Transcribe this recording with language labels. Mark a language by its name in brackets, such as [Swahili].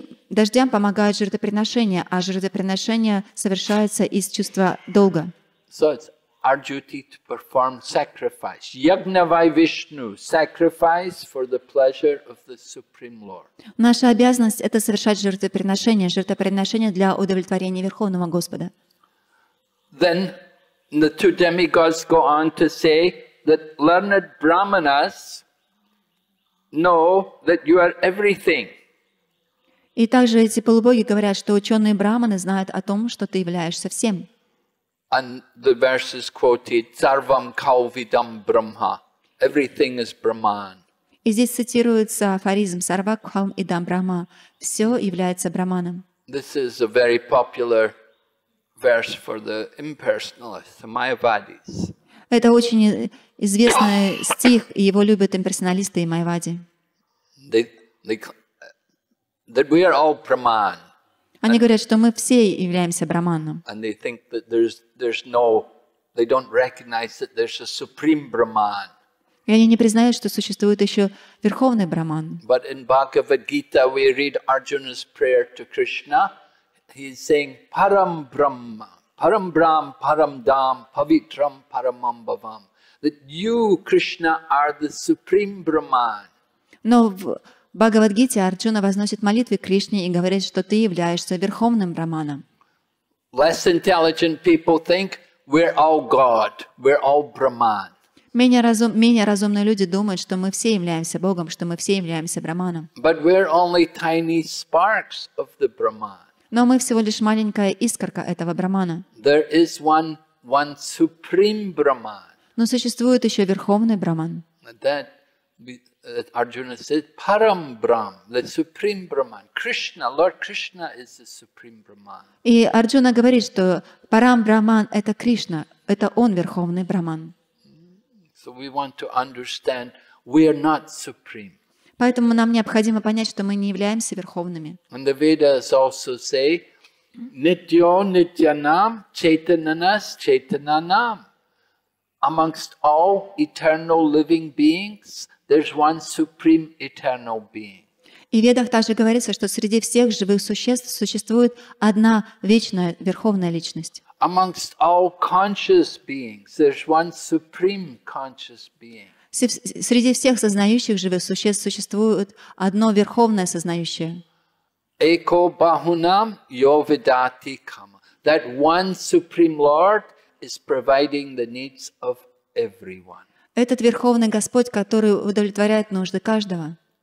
[Russian] Дождям помогают жертвоприношения, а жертвоприношения совершаются из чувства долга. [English] So it's our duty to perform sacrifice. [Sanskrit] Yagna vai Vishnu, [English] sacrifice for the pleasure of the Supreme Lord. [Russian] Наша обязанность — это совершать жертвоприношения для удовлетворения Верховного Господа. [English] Then the two demigods go on to say that learned brahmanas know that you are everything. [Russian] И также эти полубоги говорят, что ученые брахманы знают о том, что ты являешься всем. [English] And the verses quoted: [Sanskrit] "Sarvam kauvidam brahma." [English] Everything is Brahman. [Russian] И здесь цитируется афоризм Сарвакхам и Дамбрама. Все является Браманом. [English] This is a very popular verse for the impersonalists, the Mayavadis. [Russian] Это очень известный стих, и его любят имперсоналисты и майявади. [English] That we are all Brahman. [Russian] Они говорят, что мы все являемся Браманом. [English] And they think that they don't recognize that there's a supreme Brahman. [Russian] И они не признают, что существует еще Верховный Браман. [English] But in Bhagavad Gita we read Arjuna's prayer to Krishna. He's saying [Sanskrit] Param Brahma, Param Brahm, Param Dham, Pavitram Paramam Bhavam. [English] That you, Krishna, are the supreme Brahman. [Russian] Но в Бхагавадгите Арджуна возносит молитвы Кришне и говорит, что ты являешься Верховным Браманом. [English] Less intelligent people think we're all God, we're all Brahman. [Russian] Менее разумные люди думают, что мы все являемся Богом, что мы все являемся Браманом. [English] But we're only tiny sparks of the Brahman. [Russian] Но мы всего лишь маленькая искорка этого Брамана. [English] There is one supreme Brahman. [Russian] Но существует еще Верховный Браман. [English] That Arjuna said, Param Brahm, the supreme Brahman, Krishna, Lord Krishna is the supreme Brahman. [Russian] И Арджуна говорит, что Param Brahman – это Кришна, это Он Верховный Браман. [English] So we want to understand we are not supreme. [Russian] Поэтому нам необходимо понять, что мы не являемся верховными. [English] And the Vedas also say, [Sanskrit] Nityo Nityanam Chaitananas Chaitananam. [English] Amongst all eternal living beings, there's one supreme eternal being. [Russian] И в Ведах также говорится, что среди всех живых существ существует одна вечная верховная личность. [English] Amongst all conscious beings, there's one supreme conscious being. [Russian] Среди всех сознающих живых существ существует одно верховное сознающее. [Sanskrit] Eko bahunam yo vidati kama. [English] That one supreme Lord is providing the needs of everyone. [Russian] Этот Верховный Господь, который удовлетворяет нужды каждого.